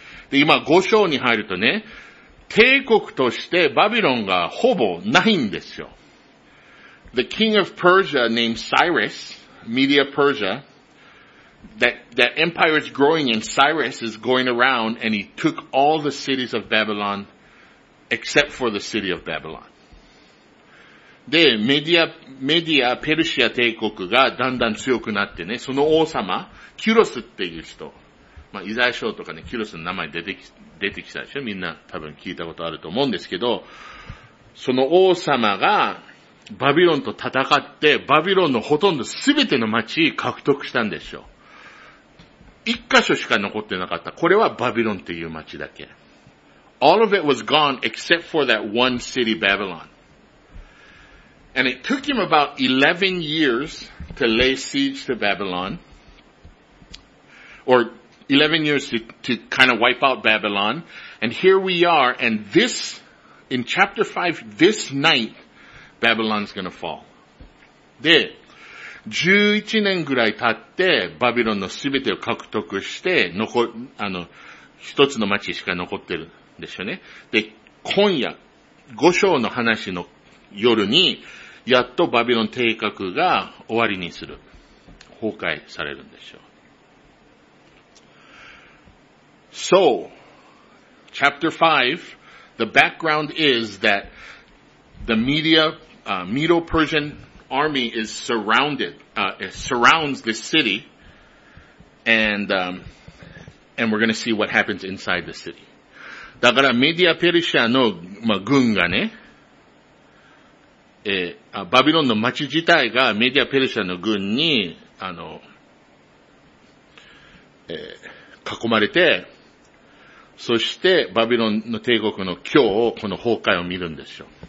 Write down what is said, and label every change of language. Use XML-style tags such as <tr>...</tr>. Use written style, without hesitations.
<ja>で、今、五章に入るとね、帝国としてバビロンがほぼないんですよ。</ja> <en>The king of Persia named Cyrus, Media Persia, that empire is growing and Cyrus is going around and he took all the cities of Babylon except for the city of Babylon.</en> <ja>で、メディア、ペルシア帝国がだんだん強くなってね、その王様、キュロスっていう人、まあ、イザヤ書とかね、キュロスの名前出てきたでしょ？みんな多分聞いたことあると思うんですけど、その王様が、バビロンと戦って、バビロンのほとんどすべての町獲得したんでしょう。一箇所しか残ってなかった。これはバビロンっていう町だけ。</ja> <en>All of it was gone except for that one city, Babylon. And it took him about 11 years to lay siege to Babylon. Or 11 years to kind of wipe out Babylon. And here we are, and this, in chapter 5, this night,Babylon's gonna fall.</en> <ja>で、11年ぐらい経って、バビロンのすべてを獲得して、一つの町しか残ってるんでしょうね。で、今夜、五章の話の夜に、やっとバビロン帝国が終わりにする。崩壊されるんでしょう。</ja> <en>So, chapter 5, the background is that the mediaMedo-Persian army is surrounds this city, and we're gonna see what happens inside the city.</en> <ja>だから、メディア・ペルシアの、まあ、軍がね、バビロンの町自体がメディア・ペルシアの軍に、囲まれて、そして、バビロンの帝国の今日を、この崩壊を見るんですよ。</ja>